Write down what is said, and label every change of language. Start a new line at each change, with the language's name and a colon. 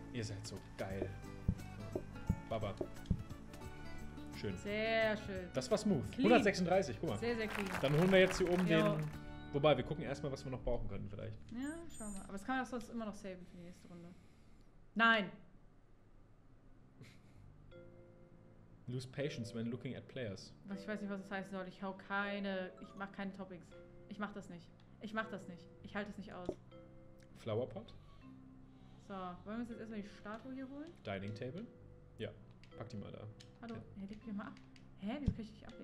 German: Ihr seid so geil. Baba. Schön. Sehr schön. Das war smooth. Clean. 136, guck mal. Sehr, sehr clean. Dann holen wir jetzt hier oben den. Wobei, wir gucken erstmal, was wir noch brauchen können vielleicht. Ja, schauen wir. Aber das kann man doch sonst immer noch saven für die nächste Runde. Nein!
English: Lose patience when looking at players.
German: Was, ich weiß nicht, was das heißen soll. Ich mache keine Topics. Ich mache das nicht. Ich halte es nicht aus.
English: Flowerpot.
German: So, wollen wir uns jetzt erstmal die Statue hier holen? Dining Table? Ja, pack die mal da. Hallo, ja. Ja, leg die mal ab. Hä, wieso kann ich dich ablegen?